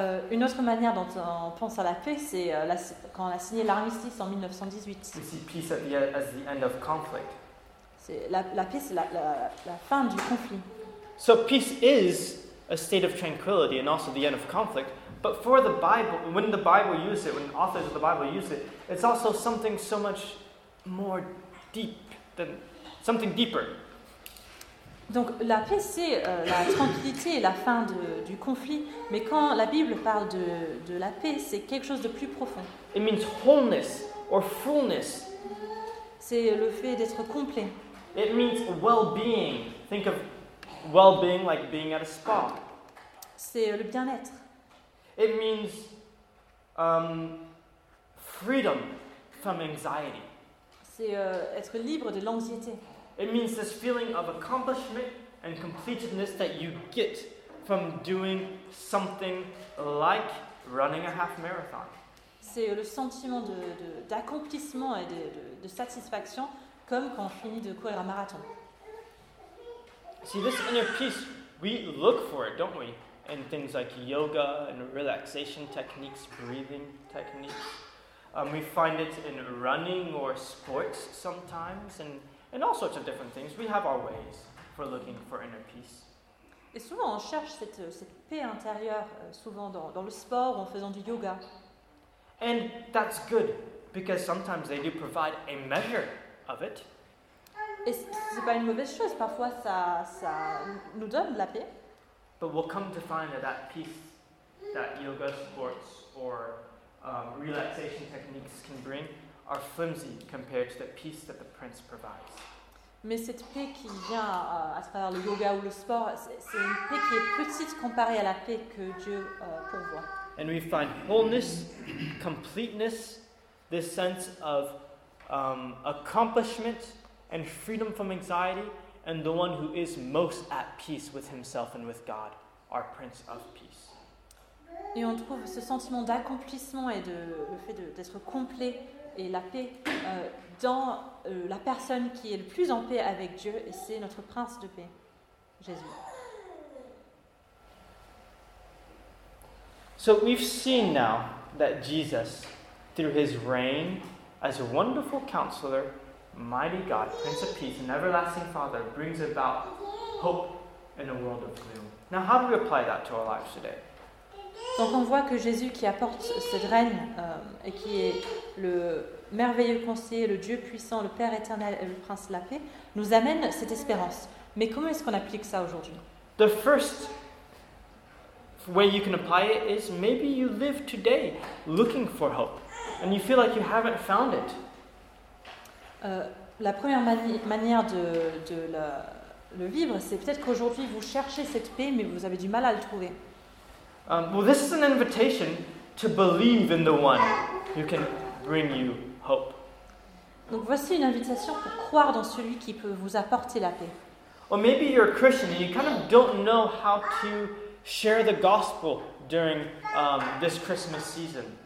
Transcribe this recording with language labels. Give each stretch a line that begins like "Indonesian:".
French: Une autre manière dont on pense à la paix, c'est quand on a signé l'armistice en 1918.
English: We see peace as the end of conflict.
French: La paix, c'est la fin du conflit.
English: So peace is a state of tranquility and also the end of conflict. But for the Bible, when the Bible uses it, when authors of the Bible use it, it's also something so much more deep than something deeper.
French: Donc la paix, c'est la tranquillité et la fin du conflit. Mais quand la Bible parle de la paix, c'est quelque chose de plus profond.
English: It means wholeness or fullness.
French: C'est le fait d'être complet.
English: It means well-being. Think of well-being like being at a spa.
French: C'est le bien-être.
English: It means freedom from anxiety.
French: C'est être libre de l'anxiété.
English: It means this feeling of accomplishment and completeness that you get from doing something like running a half marathon.
French: C'est le sentiment d'accomplissement et de satisfaction comme quand on finit de courir un marathon.
English: See, this inner peace, we look for it, don't we? In things like yoga and relaxation techniques, breathing techniques. We find it in running or sports sometimes, and in all sorts of different things. We have our ways for looking for inner peace.
French: Et souvent on cherche cette paix intérieure, souvent dans le sport, en faisant du yoga.
English: And that's good, because sometimes they do provide a measure of it.
French: Et c'est pas une mauvaise chose, parfois ça nous donne de la paix.
English: But we'll come to find that peace that yoga, sports, or relaxation techniques can bring are flimsy compared to the peace that the prince provides.
French: Mais cette paix qui vient à travers le yoga ou le sport, c'est une paix qui est petite comparée à la paix que Dieu pourvoit.
English: And we find wholeness, completeness, this sense of accomplishment and freedom from anxiety, and the one who is most at peace with himself and with God, our Prince of Peace.
French: Et on trouve ce sentiment d'accomplissement et de le fait d'être complet et la paix dans la personne qui est le plus en paix avec Dieu, et c'est notre prince de paix, Jésus.
English: So we've seen now that Jesus, through his reign as a wonderful counselor, mighty God, Prince of Peace, and everlasting Father, brings about hope in a world of gloom. Now how do we apply that to our lives today?
French: Donc on voit que Jésus qui apporte ce règne et qui est le merveilleux conseiller, le Dieu puissant, le Père éternel et le Prince de la paix, nous amène cette espérance. Mais comment est-ce qu'on applique ça aujourd'hui?
English: The first way you can apply it is maybe you live today looking for hope and you feel like you haven't found it.
French: La première manière de le vivre, c'est peut-être qu'aujourd'hui vous cherchez cette paix mais vous avez du mal à le trouver.
English: Well, this is an invitation to believe in the one who can bring you hope.
French: Donc voici une invitation pour croire dans celui qui peut vous apporter la paix.
English: Or maybe you're a Christian and you kind of don't know how to share the gospel during this Christmas season.